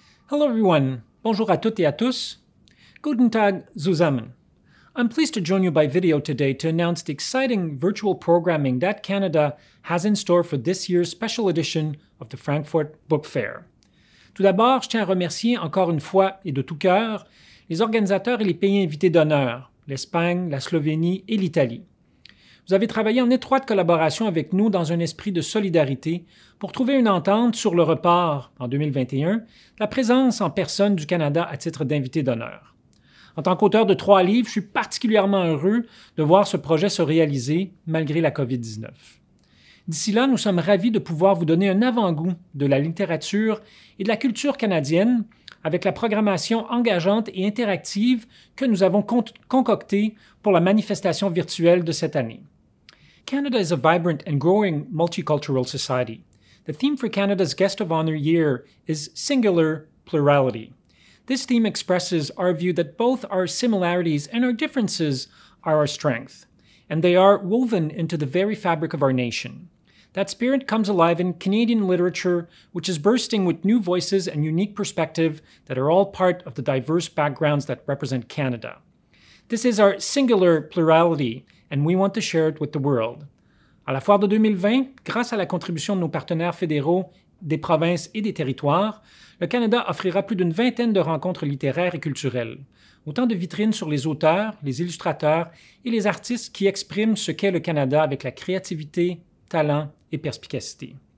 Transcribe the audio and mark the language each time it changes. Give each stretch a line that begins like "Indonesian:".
English: Hello everyone,
French: bonjour à toutes et à tous.
German: Guten Tag zusammen.
English: I'm pleased to join you by video today to announce the exciting virtual programming that Canada has in store for this year's special edition of the Frankfurt Book Fair.
French: Tout d'abord, je tiens à remercier encore une fois et de tout cœur les organisateurs et les pays invités d'honneur, l'Espagne, la Slovénie et l'Italie. Vous avez travaillé en étroite collaboration avec nous dans un esprit de solidarité pour trouver une entente sur le report, en 2021, de la présence en personne du Canada à titre d'invité d'honneur. En tant qu'auteur de trois livres, je suis particulièrement heureux de voir ce projet se réaliser malgré la COVID-19. D'ici là, nous sommes ravis de pouvoir vous donner un avant-goût de la littérature et de la culture canadienne avec la programmation engageante et interactive que nous avons concoctée pour la manifestation virtuelle de cette année.
English: Canada is a vibrant and growing multicultural society. The theme for Canada's Guest of Honor year is singular plurality. This theme expresses our view that both our similarities and our differences are our strength, and they are woven into the very fabric of our nation. That spirit comes alive in Canadian literature, which is bursting with new voices and unique perspective that are all part of the diverse backgrounds that represent Canada. This is our singular plurality, and we want to share it with the world.
French: À la Foire de 2020, grâce à la contribution de nos partenaires fédéraux, des provinces et des territoires, le Canada offrira plus d'une vingtaine de rencontres littéraires et culturelles, autant de vitrines sur les auteurs, les illustrateurs et les artistes qui expriment ce qu'est le Canada avec la créativité, talent et perspicacité.